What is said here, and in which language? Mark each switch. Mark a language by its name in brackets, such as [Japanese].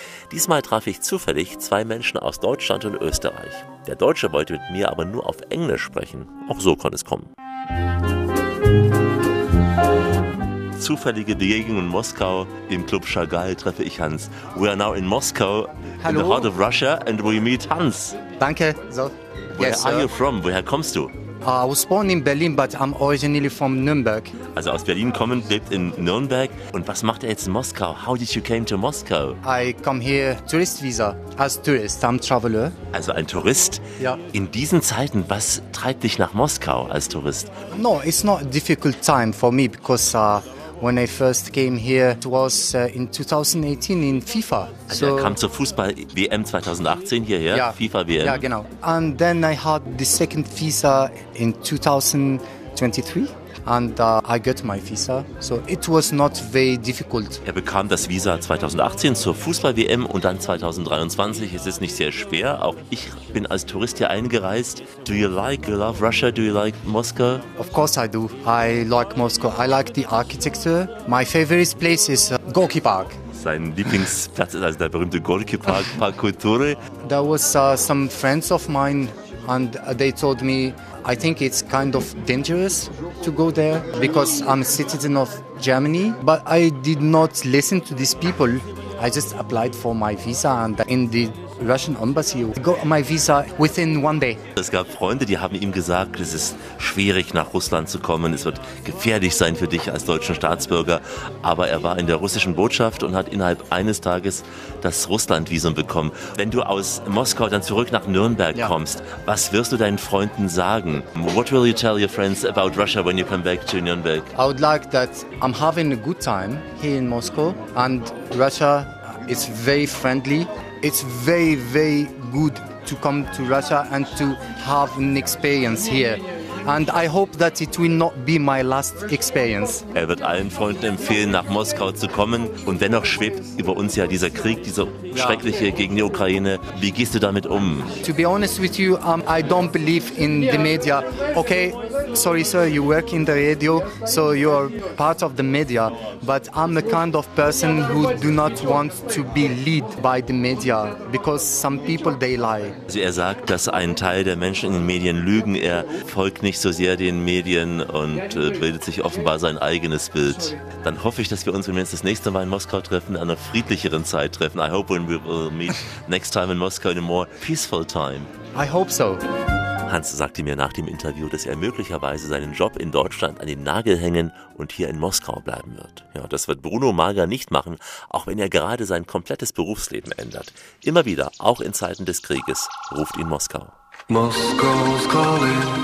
[German] Diesmal traf ich zufällig zwei Menschen aus Deutschland und Österreich. Der Deutsche wollte mit mir aber nur auf Englisch sprechen. Auch so konnte es kommen. Zufällige Begegnung in Moskau im Club Chagall treffe ich Hans. [English] We are now in Moskau, [German] hallo, [English] in the heart of Russia, and we meet Hans. [German] Danke. So, [English] where are you from? [German] Woher kommst du? [English] I was born in Berlin, but I'm originally from Nürnberg. [German] Also aus Berlin kommen, lebt in Nürnberg. Und was macht er jetzt in Moskau? [English] How did you came to Moscow? I come here tourist visa, as tourist, I'm traveler. [German] Also ein Tourist? Ja. In diesen Zeiten, was treibt dich nach Moskau als Tourist? [English] No, it's not a difficult time for me, because... When I first came here, it was in 2018 in FIFA. [German] Also er kam zur Fußball-WM 2018 hierher, yeah. FIFA-WM. Ja, yeah, genau. [English] And then I had the second visa in 2023 and I got my visa. So it was not very difficult. [German] Er bekam das Visa 2018 zur Fußball-WM und dann 2023. Es ist nicht sehr schwer. Auch ich bin als Tourist hier eingereist. [English] Do you like, you love Russia? Do you like Moscow? Of course I do. I like Moscow. I like the architecture. My favorite place is Gorky Park. [German] Sein Lieblingsplatz ist also der berühmte Gorky Park, Park Kulture. [English] There was some friends of mine and they told me, I think it's kind of dangerous to go there because I'm a citizen of Germany. But I did not listen to these people. I just applied for my visa and in the Russian embassy got my visa within one day. [German] Es gab Freunde, die haben ihm gesagt, es ist schwierig nach Russland zu kommen, es wird gefährlich sein für dich als deutschen Staatsbürger, aber er war in der russischen Botschaft und hat innerhalb eines Tages das Russland-Visum bekommen. Wenn du aus Moskau dann zurück nach Nürnberg kommst, was wirst du deinen Freunden sagen? [English] What will you tell your friends about Russia when you come back to Nürnberg? I would like that I'm having a good time here in Moscow and Russia is very friendly. It's very, very good to come to Russia and to have an experience here. And I hope that it will not be my last experience. [German] Er wird allen Freunden empfehlen, nach Moskau zu kommen. Und dennoch schwebt über uns ja dieser Krieg, dieser schreckliche gegen die Ukraine. Wie gehst du damit um? [English] To be honest with you, I don't believe in the media. Okay, sorry, sir, you work in the radio, so you're part of the media. But I'm the kind of person who do not want to be led by the media, because some people, they lie. [German] Also er sagt, dass ein Teil der Menschen in den Medien lügen. Er folgt nicht so sehr den Medien und bildet sich offenbar sein eigenes Bild. Dann hoffe ich, dass wir uns, wenn wir uns das nächste Mal in Moskau treffen, in einer friedlicheren Zeit treffen. [English] I hope when we will meet next time in Moscow in a more peaceful time. I hope so. [German] Hans sagte mir nach dem Interview, dass er möglicherweise seinen Job in Deutschland an den Nagel hängen und hier in Moskau bleiben wird. Ja, das wird Bruno Mager nicht machen, auch wenn er gerade sein komplettes Berufsleben ändert. Immer wieder, auch in Zeiten des Krieges, ruft ihn Moskau. [English] Moskau's calling.